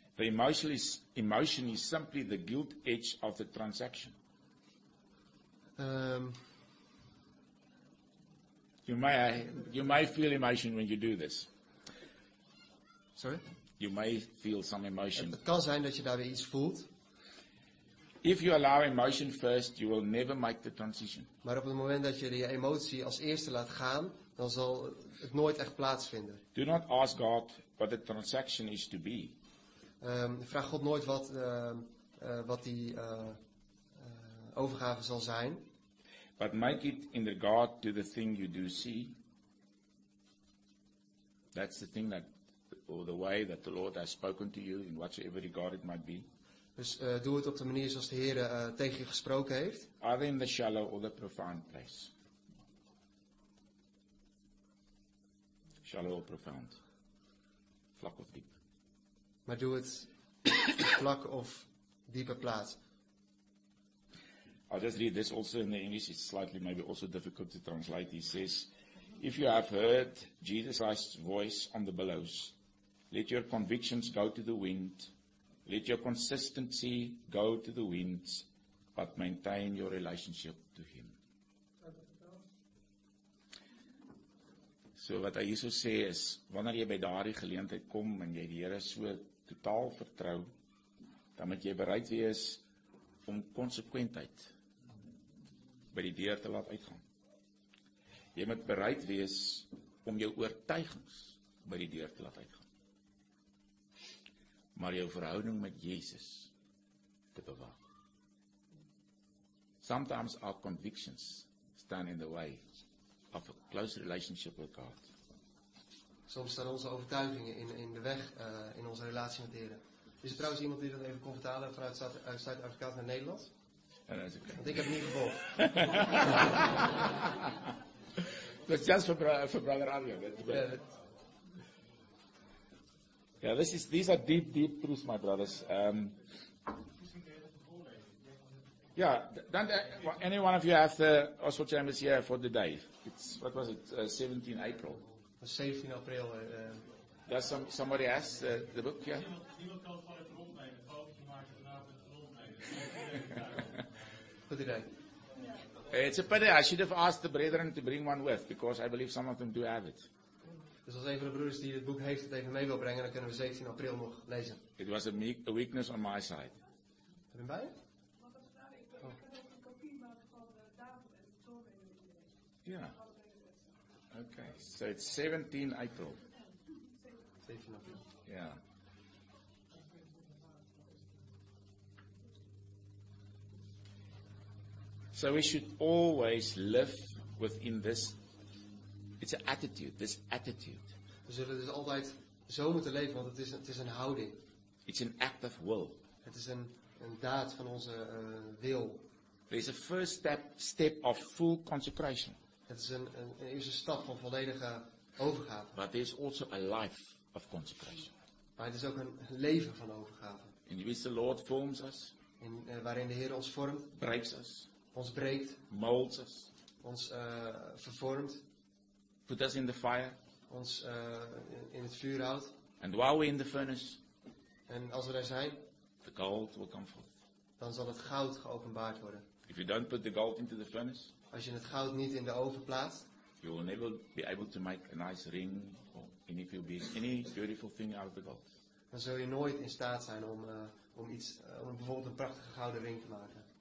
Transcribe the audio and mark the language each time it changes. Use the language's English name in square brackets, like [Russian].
[English] The emotion is simply the guilt edge of the transaction. You may feel emotion when you do this. Sorry? You may feel some emotion. [Dutch] Het kan zijn dat je daar weer iets voelt. [English] If you allow emotion first, you will never make the transition. [Dutch] Maar op het moment dat je je emotie als eerste laat gaan, dan zal het nooit echt plaatsvinden. [English] Do not ask God what the transaction is to be. [Dutch] Vraag God nooit wat, wat die overgave zal zijn. [English] But make it in regard to the thing you do see. That's the thing that, or the way that the Lord has spoken to you in whatsoever regard it might be. [Dutch] Dus doe het op de manier zoals de Heer tegen je gesproken heeft. [English] Either in the shallow or the profound place. Shallow or profound. [Dutch] Vlak of diep. Maar doe het vlak of diepe plaats. [English] I'll just read this also in the English. It's slightly maybe also difficult to translate. He says, if you have heard Jesus Christ's voice on the billows, let your convictions go to the wind. Let your consistency go to the winds, but maintain your relationship to him. [Afrikaans] So wat hy hierso sê is, wanneer jy by daardie geleentheid kom en jy die Here so totaal vertrou, dan moet jy bereid wees om konsekwentheid by die deur te laat uitgaan. Jy moet bereid wees om jou oortuigings by die deur te laat uitgaan. Maar jou verhouding met Jesus te bewaak. [English] Sometimes our convictions stand in the way of a close relationship with God. [Dutch] Soms staan onze overtuigingen in de weg in onze relatie met de Heer. Is er trouwens iemand die dat even kon vertalen vanuit Zuid-Afrika naar Nederland? [English] Okay. [Dutch] Want ik heb het niet gevolgd. Dat is juist voor brother Arjo. [English] Ja, this is, these are deep, deep truths, my brothers. Ja, any one of you have the Oswald Chambers here for the day? It's, what was it, 17 April? 17 April. Does somebody ask the book, yeah? For the day. It's a pity, I should have asked the brethren to bring one with, because I believe some of them do have it. [Dutch] Dus als een van de broeders die het boek heeft het even mee wil brengen, dan kunnen we 17 april nog lezen. [English] It was a weakness on my side. [Dutch] Heb je hem bij je? [English] Ja. Oké, so it's 17 april. 17 april. Ja. Yeah. So we should always live within this, it's an attitude, this attitude. [Dutch] We zullen dus altijd zo moeten leven, want het is een houding. [English] It's an act of will. [Dutch] Het is een daad van onze wil. [English] There's a first step of full consecration. [Dutch] Het is een eerste stap van volledige overgave. [English] But there's also a life of consecration. [Dutch] Maar het is ook een leven van overgave. [English] In which the Lord forms us. [Dutch] In, waarin de Heer ons vormt. [English] Breaks us. [Dutch] Ons breekt. [English] Molds us. [Dutch] Ons vervormt. [English] Put us in the fire. [Dutch] Ons in het vuur houdt. [English] And while we're in the furnace. [Dutch] En als we daar zijn. [English] The gold will come forth. [Dutch] Dan zal het goud geopenbaard worden. [English] If you don't put the gold into the furnace. [Dutch] Als je het goud niet in de oven plaatst. [English] You will never be able to make a nice ring. Or any beautiful thing out of the gold. [Dutch] Dan zul je nooit in staat zijn om, om bijvoorbeeld een prachtige gouden ring te maken.